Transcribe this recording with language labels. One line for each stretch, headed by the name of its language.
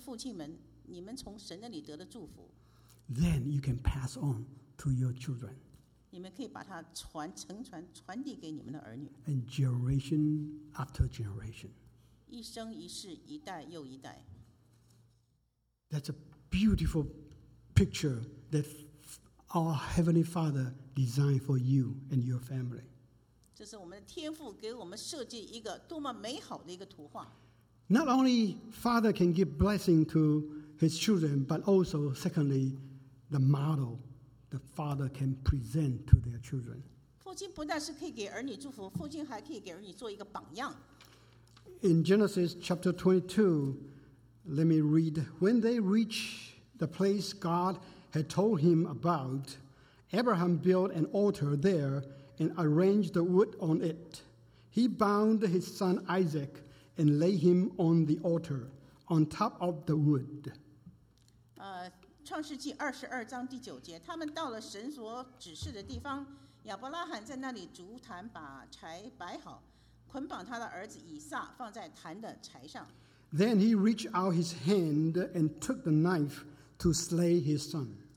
Chinese: 所以我们祷告求这些父亲们，你们从神那里得的祝福。
English: Then you can pass on to your children.
Chinese: 你们可以把它承传递给你们的儿女。
English: And generation after generation.
Chinese: 一生一世, 一代又一代。
English: That's a beautiful picture that our Heavenly Father designed for you and your family.
Chinese: 这是我们的天父给我们设计一个多么美好的一个图画。
English: Not only Father can give blessing to His children, but also, secondly, the model the Father can present to their children.
Chinese: 父亲不但是可以给儿女祝福, 父亲还可以给儿女做一个榜样。
English: In Genesis chapter 22, let me read. When they reached the place God had told him about, Abraham built an altar there and arranged the wood on it. He bound his son Isaac and laid him on the altar on top of the wood.
Chinese: 创世纪22章第9节，他们到了神所指示的地方，亚伯拉罕在那里筑坛，把柴摆好。
English: Then he reached out his hand and took the knife to slay his son.